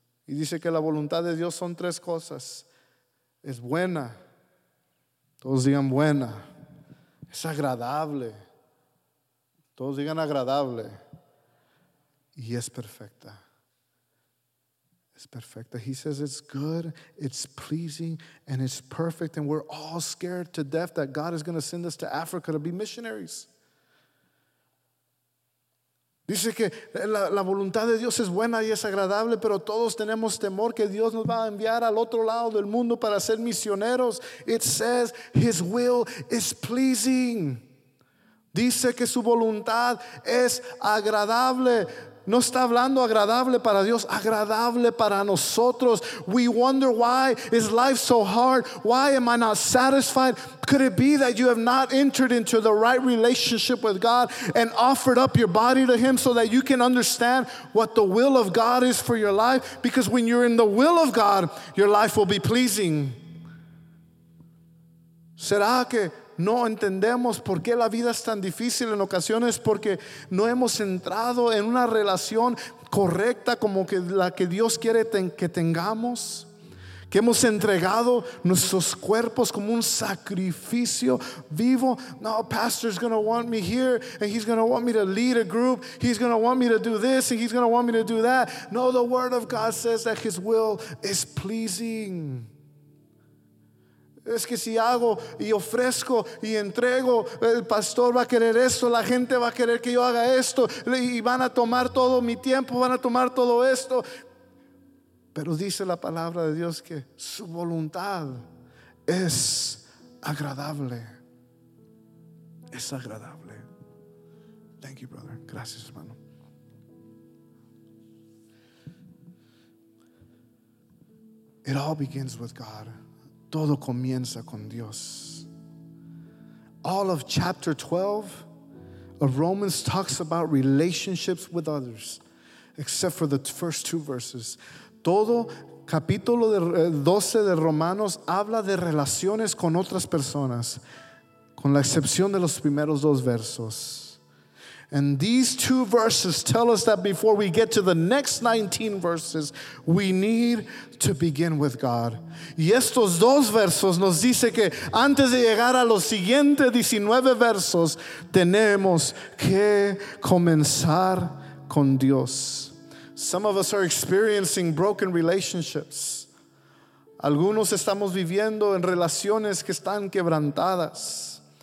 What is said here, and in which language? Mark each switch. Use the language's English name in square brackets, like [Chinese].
[Spanish] Y dice que la voluntad de Dios son tres cosas. Es buena. Todos digan buena. Es agradable. Todos digan agradable. Y es perfecta. Es perfecta. [English] He says it's good, it's pleasing, and it's perfect. And we're all scared to death that God is going to send us to Africa to be missionaries. [Spanish] Dice que la voluntad de Dios es buena y es agradable, pero todos tenemos temor que Dios nos va a enviar al otro lado del mundo para ser misioneros. [English] It says His will is pleasing. [Spanish] Dice que su voluntad es agradable. No está hablando agradable para Dios, agradable para nosotros. [English] We wonder, why is life so hard? Why am I not satisfied? Could it be that you have not entered into the right relationship with God and offered up your body to Him so that you can understand what the will of God is for your life? Because when you're in the will of God, your life will be pleasing. [Spanish] ¿Será que no entendemos por qué la vida es tan difícil en ocasiones? Porque no hemos entrado en una relación correcta como que la que Dios quiere que tengamos. Que hemos entregado nuestros cuerpos como un sacrificio vivo. [English] No, pastor's going to want me here and he's going to want me to lead a group. He's going to want me to do this and he's going to want me to do that. No, the word of God says that His will is pleasing. [Spanish] Es que si hago y ofrezco y entrego, el pastor va a querer esto, la gente va a querer que yo haga esto, y van a tomar todo mi tiempo, van a tomar todo esto. Pero dice la palabra de Dios que su voluntad es agradable. Es agradable. [English] Thank you, brother. [Spanish] Gracias, hermano. [English] It all begins with God. [Spanish] Todo comienza con Dios. [English] All of chapter 12 of Romans talks about relationships with others, except for the first two verses. [Spanish] Todo capítulo 12 de Romanos habla de relaciones con otras personas, con la excepción de los primeros dos versos. [English] And these two verses tell us that before we get to the next 19 verses, we need to begin with God. [Spanish] Y estos dos versos nos dice que antes de llegar a los siguientes 19 versos, tenemos que comenzar con Dios. [English] Some of us are experiencing broken relationships. [Spanish] Algunos estamos viviendo en relaciones que están quebrantadas.